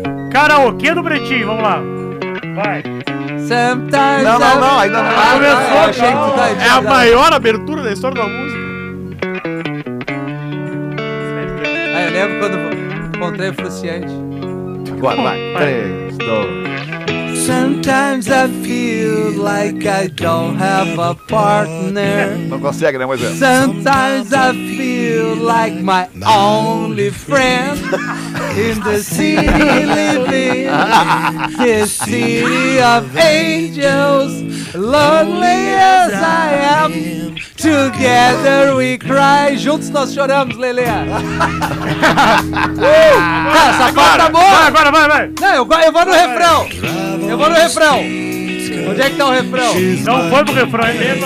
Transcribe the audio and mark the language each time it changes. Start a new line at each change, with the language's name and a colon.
Portuguese: Karaokê do Pretinho, vamos lá. Vai. Não, ainda não. Ah, começou, não, cara. Não. Tá, é a maior abertura da história da música. Aí eu lembro quando encontrei o Fruciante. Vai. 3, 2.
English: Sometimes I feel like I don't have a partner.
Portuguese: Não consegue, né, Moisés?
English: Sometimes I feel like my only friend. In the city living, the city of angels, lonely as I am, together we cry.
Portuguese: Juntos nós choramos, Lelê. Essa parte tá boa. Vai. Não, eu vou no refrão. Onde é que tá o refrão? Não foi pro refrão, é mesmo.